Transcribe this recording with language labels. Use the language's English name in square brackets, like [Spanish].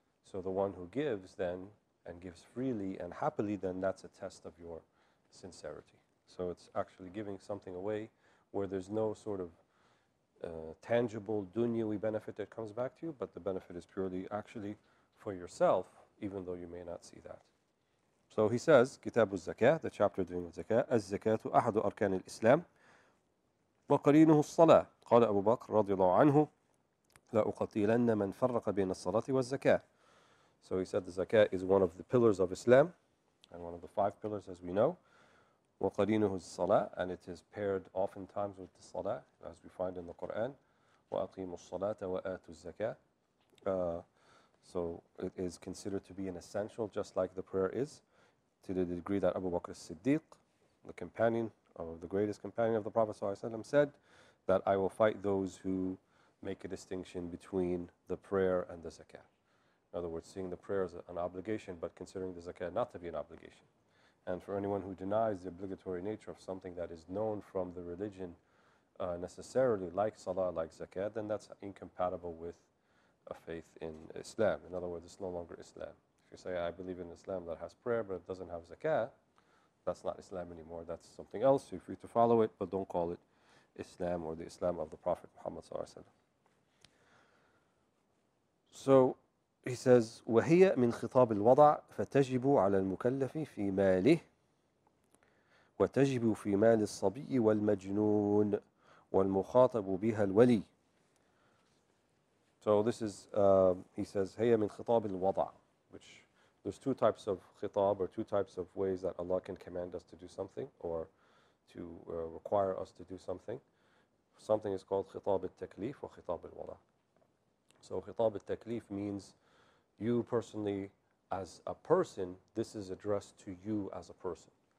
[English] So the one who gives then, and gives freely and happily, then that's a test of your sincerity. So it's actually giving something away where there's no sort of tangible dunyawi benefit that comes back to you, but the benefit is purely actually for yourself, even though you may not see that. So he says, [Arabic] Kitab al-Zakah, [English] the chapter dealing with zakah, [Arabic] al-zakatu ahadu arkan al-Islam, وقرينه الصلاة قال أبو بكر رضي الله عنه لا أقتلن من فرق بين الصلاة والزكاة. [English] So he said the zakah is one of the pillars of Islam and one of the five pillars as we know. [Arabic] وقرينه الصلاة, [English] and it is paired oftentimes with the صلاة as we find in the Quran. [Arabic] وأقيموا الصلاة وآتوا الزكاة. [English] So it is considered to be an essential, just like the prayer is, to the degree that Abu Bakr as-Siddiq, the companion of the greatest companion of the Prophet ﷺ, said that I will fight those who make a distinction between the prayer and the zakah. In other words, seeing the prayer as an obligation, but considering the zakah not to be an obligation. And for anyone who denies the obligatory nature of something that is known from the religion necessarily, like salah, like zakah, then that's incompatible with a faith in Islam. In other words, it's no longer Islam. If you say, I believe in Islam that has prayer, but it doesn't have zakah, that's not Islam anymore, that's something else. You're free to follow it, but don't call it Islam or the Islam of the Prophet Muhammad sallallahu alaihi wasallam. So he says, [Arabic] وَهِيَ مِنْ خِطَابِ الْوَضَعِ فَتَجِبُ عَلَى الْمُكَلَّفِ فِي مَالِهِ وَتَجِبُ فِي مَالِ الصَّبِيِّ وَالْمَجْنُونِ وَالْمُخَاطَبُ بِهَا الْوَلِيِّ. [English] So this is, he says, [Arabic] هَيَ مِنْ خِطَابِ الْوَضَعِ, [English] which there's two types of khitab, or two types of ways that Allah can command us to do something or to require us to do something. Something is called khitab al-taklif or khitab al-wada. So khitab al-taklif means you personally, as a person, this is addressed to you as a person.